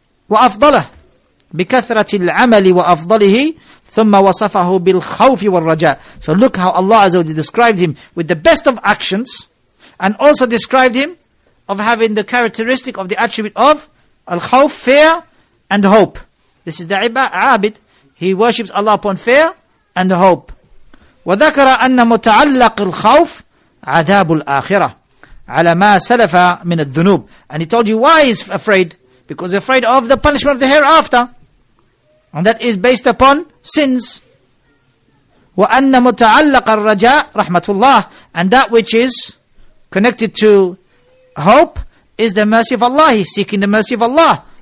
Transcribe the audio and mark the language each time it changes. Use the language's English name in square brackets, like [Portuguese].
[Arabic] وَأَفْضَلَهُ بِكَثْرَةِ الْعَمَلِ وَأَفْضَلِهِ ثُمَّ وَصَفَهُ بِالْخَوْفِ وَالرَّجَاءِ [English] So look how Allah Azza wa Jalla described him with the best of actions and also described him of having the characteristic of the attribute of al-khawf, fear and hope. This is the abid. He worships Allah upon fear and hope. [Arabic] وَذَكَرَ أَنَّ مُتَعَلَّقِ الْخَوْفِ عَذَابُ الْآخِرَةِ عَلَى مَا سَلَفَ مِنَ الذُّنُوبِ [English] And he told you why he's afraid. Because he's afraid of the punishment of the hereafter. And that is based upon sins. [Arabic] وَأَنَّ مُتَعَلَّقَ الرَّجَاءِ رَحْمَةُ اللَّهِ [English] And that which is connected to hope is the mercy of Allah. He's seeking the mercy of Allah.